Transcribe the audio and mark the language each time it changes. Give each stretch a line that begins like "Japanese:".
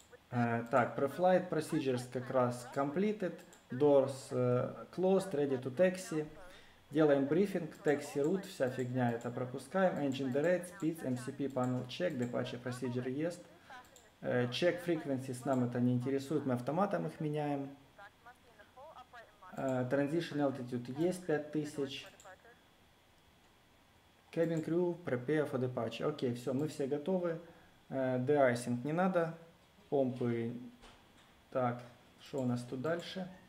Russian: Так,
English: pre-flight procedures
Russian: как раз
English: completed. Doors closed, ready to taxi.
Russian: Делаем брифинг, taxi route, вся фигня, это пропускаем.
English: Engine derate, speed, MCP panel check, departure procedure есть. Check frequencies,
Russian: нам это не интересует, мы автоматом их меняем.
English: Transition altitude есть 5000. Cabin crew, prepare for departure.
Russian: Окей, все, мы все готовы. De-icing не надо. Помпы. Так, что у нас тут дальше?